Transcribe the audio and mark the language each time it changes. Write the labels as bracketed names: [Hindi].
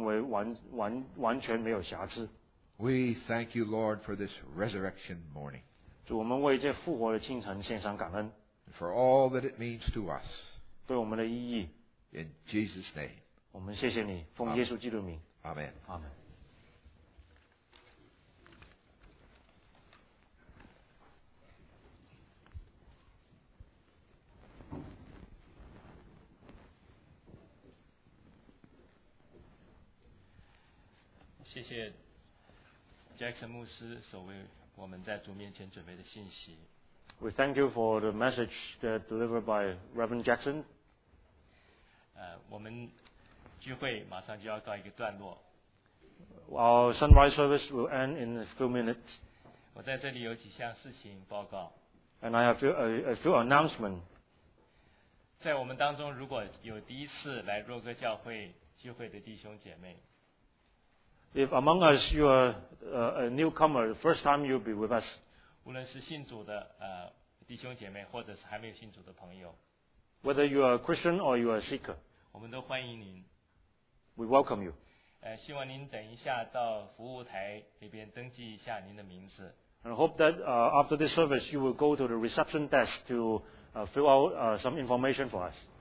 [Chinese] 在你面前站立势力能够成为完全没有瑕疵。 [English] We thank you, Lord, for this resurrection morning. [Chinese] 主,我们为这复活的清晨献上感恩。 [English] For all that it means to us. [Chinese] 对我们的意义。 [English] In Jesus' name. [Chinese] 我们谢谢你,奉耶稣基督名。 [English] Amen. Amen. We thank you for the message that delivered by Reverend Jackson. Our sunrise service will end in a few minutes. And I have a few announcements. [Chinese] 在我们当中如果有第一次来若歌教会聚会的弟兄姐妹, [English] if among us you are a newcomer, the first time you'll be with us, [Chinese] 无论是信主的, 弟兄姐妹, 或者是还没有信主的朋友, [English] whether you are a Christian or you are a seeker, [Chinese] 我们都欢迎您, [English] we welcome you. [Chinese] 希望您等一下到服务台那边登记一下您的名字, [English] And I hope that after this service, you will go to the reception desk to fill out some information for us.